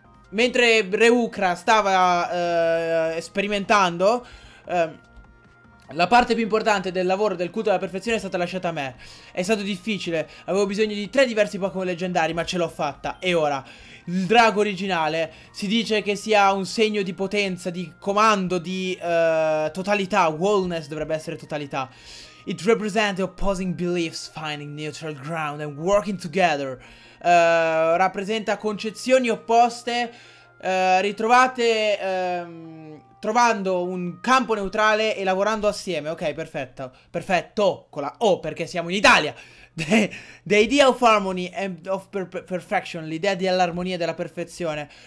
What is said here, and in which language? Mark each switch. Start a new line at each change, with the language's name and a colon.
Italian: Mentre Reukra stava sperimentando, la parte più importante del lavoro del culto alla perfezione è stata lasciata a me. È stato difficile, avevo bisogno di tre diversi Pokémon leggendari, ma ce l'ho fatta. E ora, il drago originale si dice che sia un segno di potenza, di comando, di totalità. Wholeness dovrebbe essere totalità.
English: It represents opposing beliefs, finding neutral ground and working together.
Italian: Rappresenta concezioni opposte, ritrovate, trovando un campo neutrale e lavorando assieme. Ok, perfetto. Perfetto, con la O, perché siamo in Italia.
English: The idea of harmony and of perfection,
Italian: l'idea dell'armonia e della perfezione.